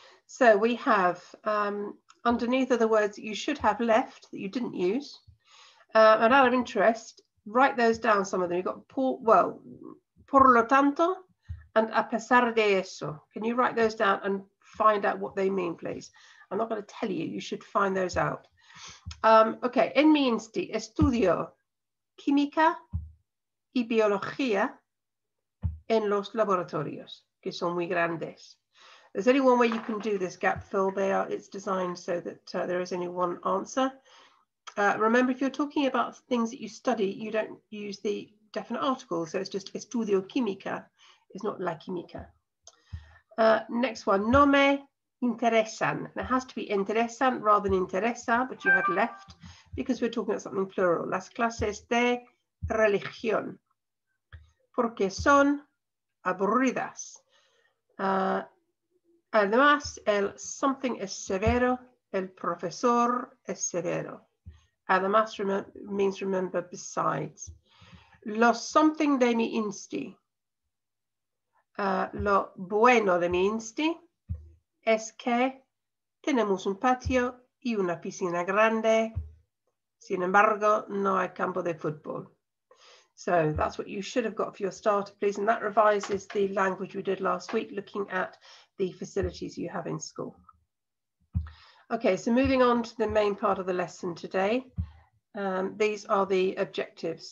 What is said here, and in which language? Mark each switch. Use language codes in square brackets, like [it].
[en] So we have underneath are the words that you should have left that you didn't use. And out of interest, write those down, some of them. You've got [es] por lo tanto [en] and [es] a pesar de eso. [en] Can you write those down and find out what they mean, please? I'm not going to tell you, you should find those out. [es] Okay, en mi insti, estudio química y biología en los laboratorios, que son muy grandes. [en] There's only one way you can do this gap fill. They are, it's designed so that there is only one answer. Remember, if you're talking about things that you study, you don't use the definite article. So it's just [es] estudio química, [en] it's not [es] la química. [en] Next one, [es] no me interesan. [en] There has to be interesan rather than interesa, but you had left, because we're talking about something plural. [es] Las clases de religión. Porque son aburridas. Además, el something es severo. El profesor es severo. Además [en] means remember, besides. [es] Los something de mi insti. Lo bueno de mi insti es que tenemos un patio y una piscina grande. Sin embargo, no hay campo de fútbol. [en] So that's what you should have got for your starter, please. And that revises the language we did last week, looking at the facilities you have in school. Okay, so moving on to the main part of the lesson today. These are the objectives.